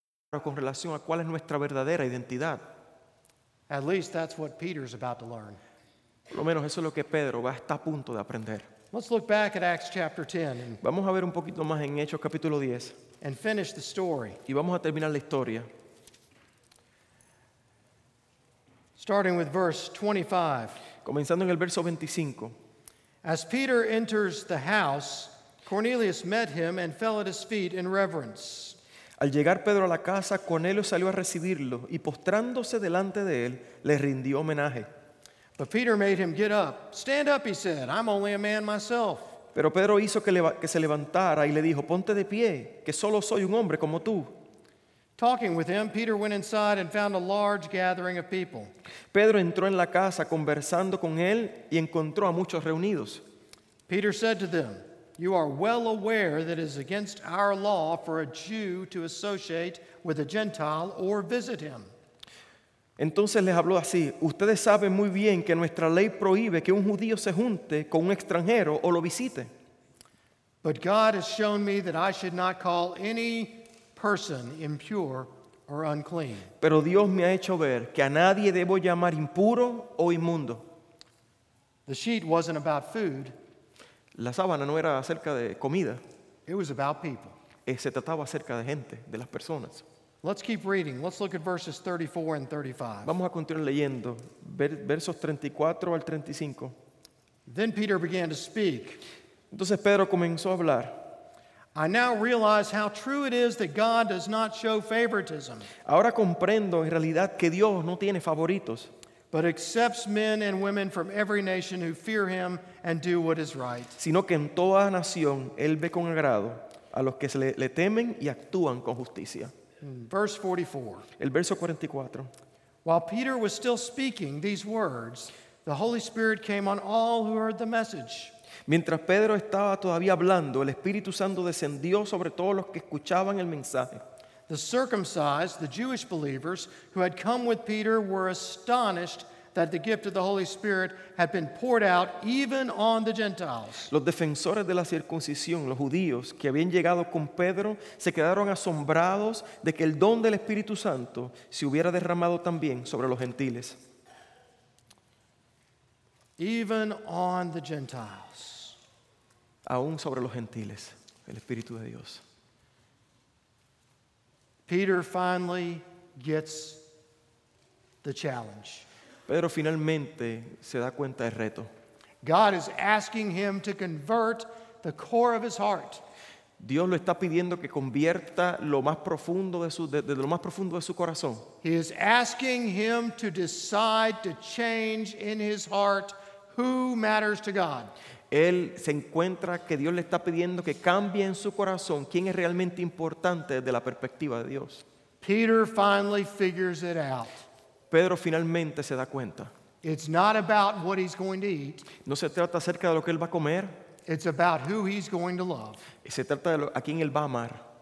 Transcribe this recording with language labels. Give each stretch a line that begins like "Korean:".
Spanish: Ahora, con relación a cuál es nuestra verdadera identidad.
English: At least that's what Peter's about to learn.
Spanish: Por lo menos eso es lo que Pedro va a estar a punto de aprender.
English: Let's look back at Acts chapter 10.
Spanish: Vamos a ver un poquito más en Hechos capítulo 10.
English: And finish the story.
Spanish: Y vamos a terminar la historia.
English: Starting with verse 25.
Spanish: Comenzando en el verso 25.
English: As Peter enters the house, Cornelius met him and fell at his feet in reverence.
Spanish: Al llegar Pedro a la casa, Cornelio salió a recibirlo y postrándose delante de él, le rindió homenaje.
English: But Peter made him get up. Stand up, he said. I'm only a man myself.
Spanish: Pero Pedro hizo que se levantara y le dijo, ponte de pie, que solo soy un hombre como tú.
English: Talking with him, Peter went inside and found a large gathering of people.
Spanish: Pedro entró en la casa conversando con él y encontró a muchos reunidos.
English: Peter said to them, you are well aware that it is against our law for a Jew to associate with a Gentile or visit him.
Spanish: Entonces les habló así, ustedes saben muy bien que nuestra ley prohíbe que un judío se junte con un extranjero o lo visite.
English: But God has shown me that I should not call any person impure or unclean.
Spanish: Pero Dios me ha hecho ver que a nadie debo llamar impuro o inmundo.
English: The sheet wasn't about food.
Spanish: La sábana no era acerca de comida.
English: It was about people.
Spanish: Se trataba acerca de gente, de las personas.
English: Let's keep reading. Let's look at verses 34 and 35.
Spanish: Vamos a continuar leyendo versos 34 al 35.
English: Then Peter began to speak.
Spanish: Entonces Pedro comenzó a hablar.
English: I now realize how true it is that God does not show favoritism.
Spanish: Ahora comprendo en realidad que Dios no tiene favoritos.
English: But accepts men and women from every nation who fear him and do what is right.
Spanish: Sino que en toda nación él ve con agrado a los que le temen y actúan con justicia.
English: Verse 44.
Spanish: El verso 44.
English: While Peter was still speaking these words, the Holy Spirit came on all who heard the message.
Spanish: Mientras Pedro estaba todavía hablando, el Espíritu Santo descendió sobre todos los que escuchaban el mensaje.
English: The circumcised, the Jewish believers who had come with Peter were astonished that the gift of the Holy Spirit had been poured out even on the Gentiles.
Spanish: Los defensores de la circuncisión, los judíos que habían llegado con Pedro, se quedaron asombrados de que el don del Espíritu Santo se hubiera derramado también sobre los gentiles.
English: Even on the Gentiles.
Spanish: Aún sobre los gentiles, el Espíritu de Dios.
English: Peter finally gets the challenge.
Spanish: Pedro finalmente se da cuenta del reto.
English: God is asking him to convert the core of his heart.
Spanish: Dios lo está pidiendo que convierta lo más profundo de su corazón.
English: He is asking him to decide to change in his heart who matters to God.
Spanish: Él se encuentra que Dios le está pidiendo que cambie en su corazón quién es realmente importante desde la perspectiva de Dios.
English: Peter finally figures it out.
Spanish: Pedro finalmente se da cuenta.
English: It's not about what he's going to eat.
Spanish: No se trata acerca de lo que él va a comer.
English: It's about who he's going to love.
Spanish: Se trata de a quién él va a amar.